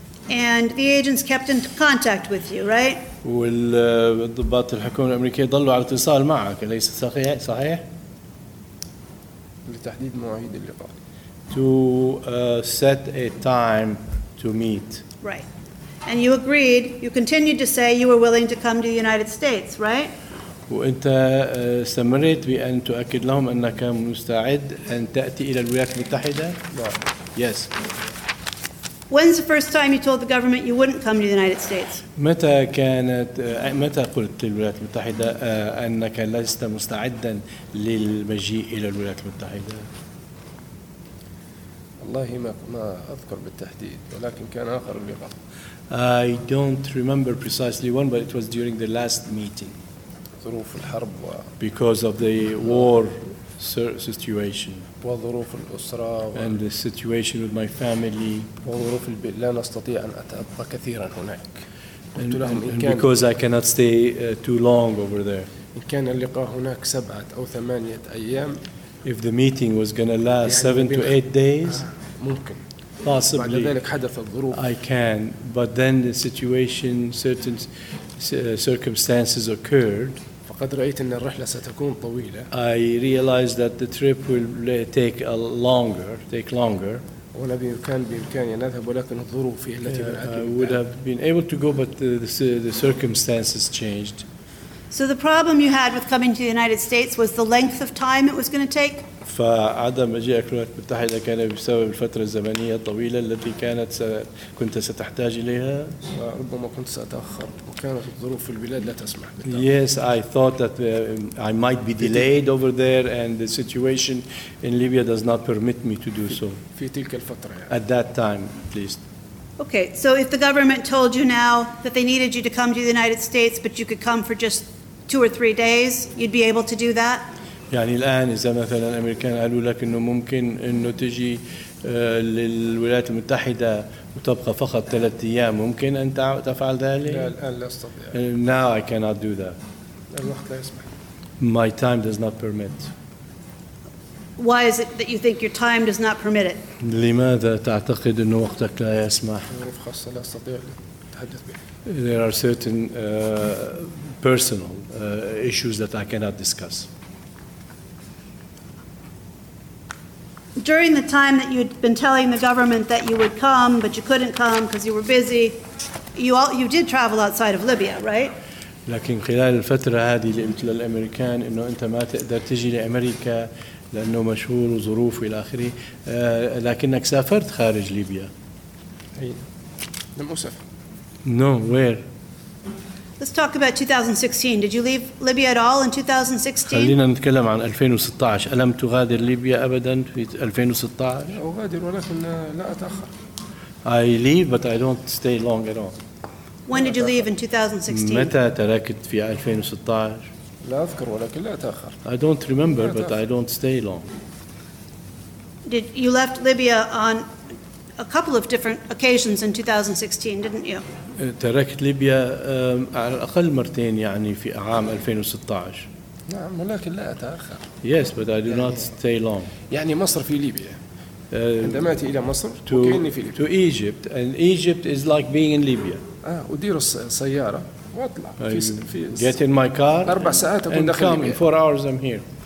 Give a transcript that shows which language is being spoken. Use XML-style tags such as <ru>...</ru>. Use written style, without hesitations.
<en>And the agents kept in contact with you, right?</en> <ar>والضباط الحكومة الأمريكية ظلوا على اتصال معك، أليس صحيح؟ صحيح؟ لتحديد مواعيد اللقاء.</ar> <en>To set a time to meet. Right. And you agreed, you continued to say you were willing to come to the United States, right?</en> <ar>وانت استمريت بان تؤكد لهم انك مستعد ان تاتي الى الولايات المتحده؟ نعم.</ar> <en>Yes. When's the first time you told the government you wouldn't come to the United States?</en> <ar>متى قلت للولايات المتحده انك لست مستعدا للمجيء الى الولايات المتحده؟ والله ما اذكر بالتحديد ولكن كان اخر اللقاء.</ar> <en>I don't remember precisely when, but it was during the last meeting.</en> <ar>ظروف الحرب و</ar> <en>because of the war situation.</en> <ar>وظروف الأسرة و</ar> <en>and the situation with my family.</en> <ar>وظروف البيت لا نستطيع أن أتأبى كثيرا هناك.</ar> <en>And because I cannot stay too long over there.</en> <ar>إن كان اللقاء هناك 7 أو 8 أيام.</ar> <en>If the meeting was going to last 7 to 8 days.</en> <ar>ممكن.</ar> <en>Possibly.</en> <ar>بعد ذلك حدث الظروف.</ar> <en>I can, but then the situation, certain circumstances occurred.</en> <ar>فقد رأيت أن الرحلة ستكون طويلة.</ar> <en>I realized that the trip will take longer.</en> <ar>ولا بإمكاني أن أذهب ولكن الظروف هي التي منعتني.</ar> <en>I would have been able to go, but the circumstances changed. So the problem you had with coming to the United States was the length of time it was going to take.</en> <ar>فعدم مجيئك للولايات المتحدة كان بسبب الفترة الزمنية الطويلة التي كانت كنت ستحتاج إليها. ربما كنت سأتأخر وكانت الظروف في البلاد لا تسمح.</ar> <en>Yes, I thought that I might be delayed over there, and the situation in Libya does not permit me to do so.</en> <ar>في تلك الفترة. يعني.</ar> <en>At that time, at least. Okay, so if the government told you now that they needed you to come to the United States, but you could come for just 2 or 3 days, you'd be able to do that?</en> <ar>يعني الآن إذا مثلا الأمريكان قالوا لك إنه ممكن إنه تجي للولايات المتحدة وتبقى فقط 3 أيام ممكن أن تفعل ذلك؟ لا الآن لا أستطيع.</ar> <en>Now I cannot do that.</en> <ar>الوقت لا يسمح.</ar> <en>My time does not permit. Why is it that you think your time does not permit it?</en> <ar>لماذا تعتقد إنه وقتك لا يسمح؟ ظروف خاصة لا أستطيع التحدث بها.</ar> <en>There are certain personal issues that I cannot discuss. During the time that you'd been telling the government that you would come, but you couldn't come because you were busy, you did travel outside of Libya, right?</en> <ar>لكن خلال الفترة هذه اللي قلت للأمريكان إنه أنت ما تقدر تجي لأمريكا لأنه مشهور وظروف إلى آخره، لكنك سافرت خارج ليبيا. أين؟ لم أسافر.</ar> <en>No, where? Let's talk about 2016. Did you leave Libya at all in 2016?</en> <ar>خلينا نتكلم عن 2016. ألم تغادر ليبيا أبداً في 2016؟ أغادر ولكن لا أتأخر.</ar> <en>I leave, but I don't stay long at all. When did you leave in 2016?</en> <ar>متى تركت في 2016؟ لا أذكر ولكن لا أتأخر.</ar> <en>I don't remember, but I don't stay long. Did you left Libya on a couple of different occasions in 2016, didn't you?</en> <ar>تركت ليبيا على الأقل مرتين يعني في عام 2016. نعم ولكن لا أتأخر.</ar> <en>Yes, but I do not stay long.</en> <ar>يعني مصر في ليبيا. عندما أتي إلى مصر وكأني في ليبيا.</ar> <en>To Egypt, and Egypt is like being in Libya.</en> <ar>أدير السيارة وأطلع.</ar> <en>Get in my car.</en> <ar>4 ساعات أكون داخل ليبيا.</ar> <en>In 4 hours I'm here.</en>